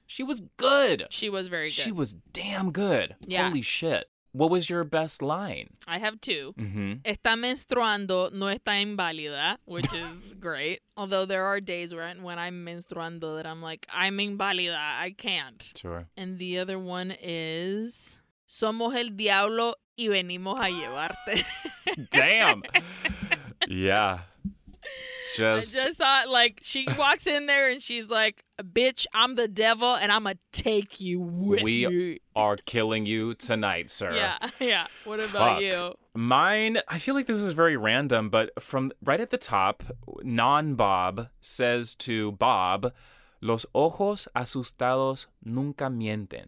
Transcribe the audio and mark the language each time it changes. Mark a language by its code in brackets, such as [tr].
[en] she was good. She was very good. She was damn good. Yeah. Holy shit. What was your best line? I have two. Mm-hmm. [es] Está menstruando, no está inválida, which is great. [en] Although there are days when I'm menstruando that I'm like, I'm inválida, I can't. Sure. [es] And the other one is, somos el diablo y venimos a llevarte. [en] Damn. Yeah. I just thought, like, she walks in there and she's like, bitch, I'm the devil and I'm going to take you with me. We are killing you tonight, sir. Yeah, yeah. What about you? Mine, I feel like this is very random, but from right at the top, non-Bob says to Bob, los ojos asustados nunca mienten.